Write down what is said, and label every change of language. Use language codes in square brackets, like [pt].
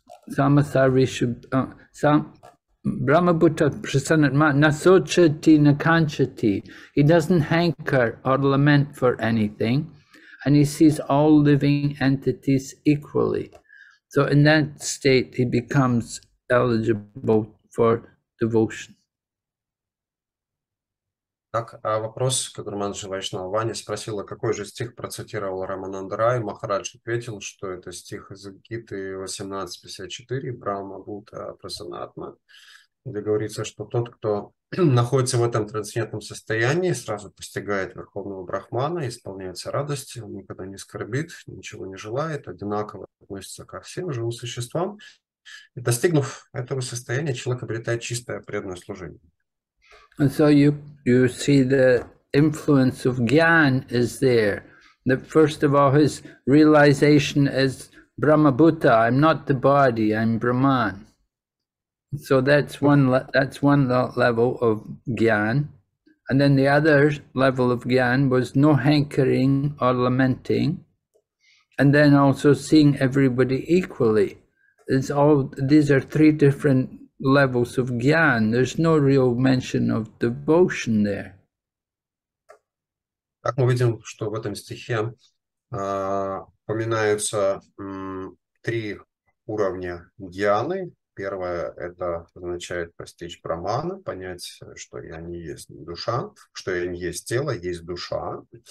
[sa] Sama Sarveshu, Brahma Buddha Prasanatma, Nasochati Nakanchati, [en] he doesn't hanker or lament for anything. And he sees all living entities equally. So in that state, he becomes eligible for devotion. [ru] Так, а вопрос, который Манджи Вайшнава Ваня спросила, какой же стих процитировал Рамананда Рай, Махарадж ответил, что это стих из Гиты 18.54, Брахма Бута Прасанатма, где говорится, что тот, кто находится в этом трансцендентном состоянии, сразу постигает Верховного Брахмана, исполняется радостью, он никогда не скорбит, ничего не желает, одинаково относится ко всем живым существам. И достигнув этого состояния, человек обретает чистое преданное служение. [en] And so you see the influence of Gyan is there. That first of all, his realization is Brahma Buddha, I'm not the body, I'm Brahman. So that's one level of Gyan. And then the other level of Gyan was no hankering or lamenting. And then also seeing everybody equally. It's all, these are three different levels of gyan. There's no real mention of devotion there. [ru] Так мы видим, что в этом стихе упоминаются три уровня гьяны. Первое – это означает постичь брахмана, понять, что я не есть душа, что я не есть тело, есть душа.